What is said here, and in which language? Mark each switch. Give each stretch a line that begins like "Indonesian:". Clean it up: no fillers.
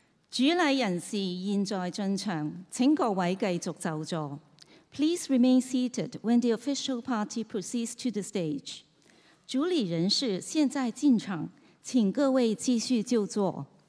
Chinese: 主禮人士現在進場，請各位繼續就座。
English: Please remain seated when the official party proceeds to the stage.
Chinese: 主禮人士現在進場，請各位繼續就座。